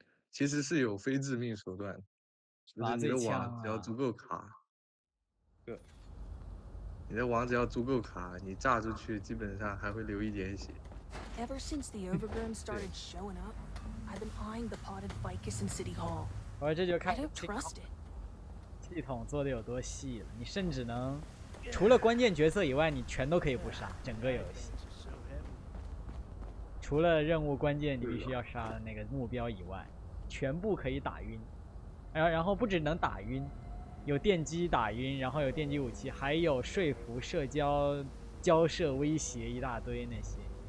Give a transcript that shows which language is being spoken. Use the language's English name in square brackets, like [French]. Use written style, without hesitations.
[Chinese] 其实是有非致命手段，就是你的网只要足够卡，你的网只要足够卡，你炸出去基本上还会留一点血。 [English] Ever since the Overgrown started showing up, I've been eyeing the potted ficus in City Hall. [Chinese] 我这就看 [English] trust it. [Chinese] 系统做的有多细了，你甚至能除了关键角色以外，你全都可以不杀，整个游戏。除了任务关键你必须要杀的那个目标以外。全部可以打晕，然后不只能打晕，有电击打晕，然后有电击武器，还有说服、社交、交涉、威胁一大堆那些。